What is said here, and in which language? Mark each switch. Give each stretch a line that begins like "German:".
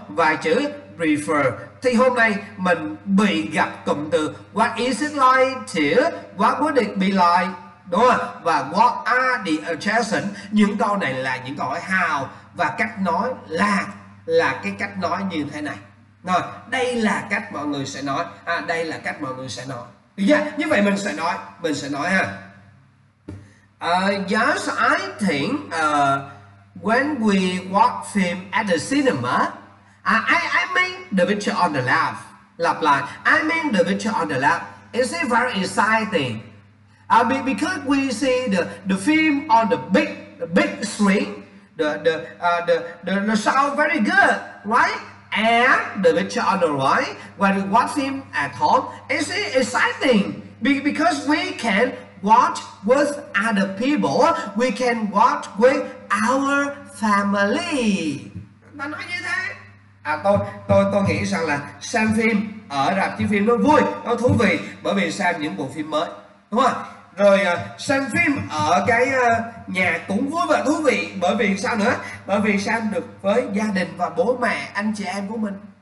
Vietnamese: Và chữ prefer. Thì hôm nay mình bị gặp cụm từ
English: what is it like to, what would it be like,
Vietnamese: đúng không? Và
English: what are the attractions,
Vietnamese: những câu này là những câu hỏi how, và cách nói là cái cách nói như thế này. Rồi, đây là cách mọi người sẽ nói, đây là cách mọi người sẽ nói. Yeah, như vậy mình sẽ nói, ha.
English: Yes, I think when we watch film at the cinema, I mean the picture on the left.
Vietnamese: Lặp lại,
English: I mean the picture on the left. Is it very exciting? Because we see the film on the big screen, the sound very good, right? And the picture on the right, when we watch him at home, is it exciting? Because we can watch with other people, we can watch with our family.
Vietnamese: Nó nói như thế. Tôi nghĩ rằng là xem phim ở rạp chiếu phim nó vui, nó thú vị, bởi vì xem những bộ phim mới, đúng không? Rồi xem phim ở cái nhà cũng vui và thú vị, bởi vì sao nữa? Bởi vì xem được với gia đình và bố mẹ, anh chị em của mình.